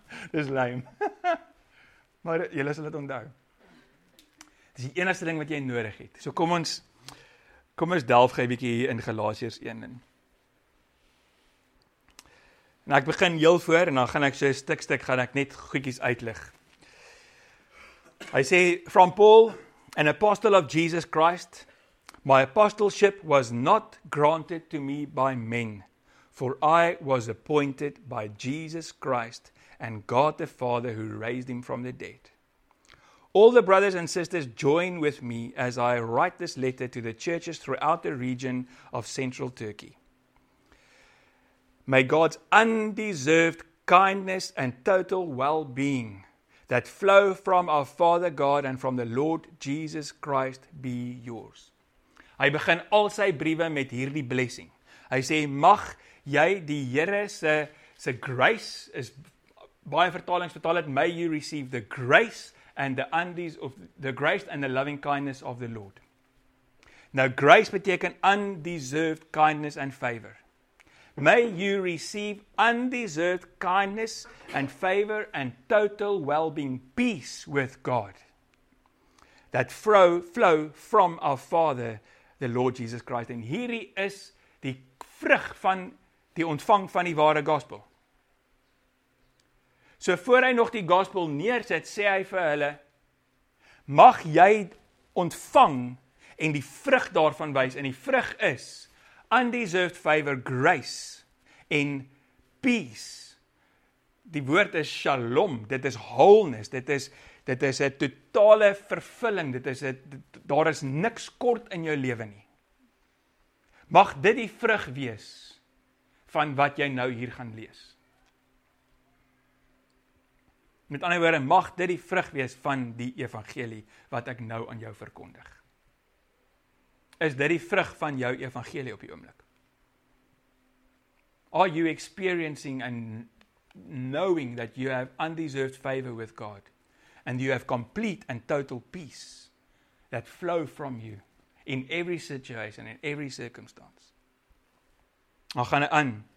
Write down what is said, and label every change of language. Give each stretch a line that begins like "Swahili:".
Afrikaans: Dit is lame. Maar julle sal dit onthou. Dis die enigste ding wat jy nodig het. So kom ons delf gae 'n bietjie hier in Galasiërs 1 in. En ek begin heel voor en dan gaan ek so stuk gaan ek net goedjies uitlig. Hy sê,
English: from Paul, an apostle of Jesus Christ, my apostleship was not granted to me by men, for I was appointed by Jesus Christ and God the Father who raised him from the dead. All the brothers and sisters join with me as I write this letter to the churches throughout the region of central Turkey. May God's undeserved kindness and total well-being that flow from our Father God and from the Lord Jesus Christ be yours.
Afrikaans: Hy begin al sy briewe met hierdie blessing. Hy sê, mag jy die Here se grace, is baie vertalings vertaal het,
English: may you receive the grace and the undies of the grace and the loving kindness of the Lord. Now grace
Afrikaans: beteken
English: undeserved kindness and favor. May you receive undeserved kindness and favor and total well-being, peace with God. That flow from our Father, the Lord Jesus Christ.
Afrikaans: En hierdie is die vrug van die ontvang van die ware gospel. So voor hy nog die gospel neersit, sê hy vir hulle, mag jy ontvang en die vrug daarvan wys. En die vrug is,
English: undeserved favor, grace en peace.
Afrikaans: Die woord is shalom, dit is wholeness, dit is 'n totale vervulling, daar is niks kort in jou lewe nie. Mag dit die vrug wees van wat jy nou hier gaan lees. Met ander woorde, mag dit die vrug wees van die evangelie wat ek nou aan jou verkondig. Is dit die vrug van jou evangelie op die oomblik?
English: Are you experiencing and knowing that you have undeserved favor with God and you have complete and total peace that flow from you in every situation, in every circumstance?
Afrikaans: Dan gaan hy aan.